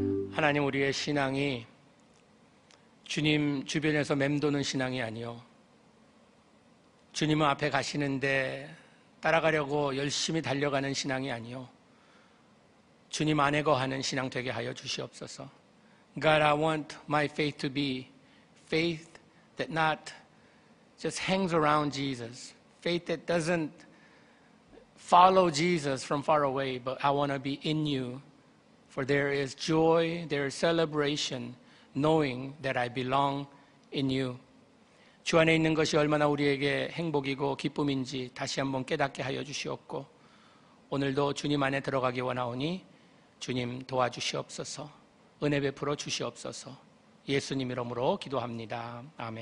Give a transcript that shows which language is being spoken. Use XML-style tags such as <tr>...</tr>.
<ko>하나님, 우리의 신앙이 주님 주변에서 맴도는 신앙이 아니요 주님 앞에 가시는데 따라가려고 열심히 달려가는 신앙이 아니요 주님 안에 거하는 신앙 되게 하여 주시옵소서.</ko> <en>God, I want my faith to be faith that not just hangs around Jesus. Faith that doesn't follow Jesus from far away, but I want to be in you. For there is joy, there is celebration, knowing that I belong in you.</en> <ko>주 안에 있는 것이 얼마나 우리에게 행복이고 기쁨인지 다시 한번 깨닫게 하여 주시옵고 오늘도 주님 안에 들어가기 원하오니 주님 도와주시옵소서. 은혜 베풀어 주시옵소서. 예수님 이름으로 기도합니다. 아멘.</ko>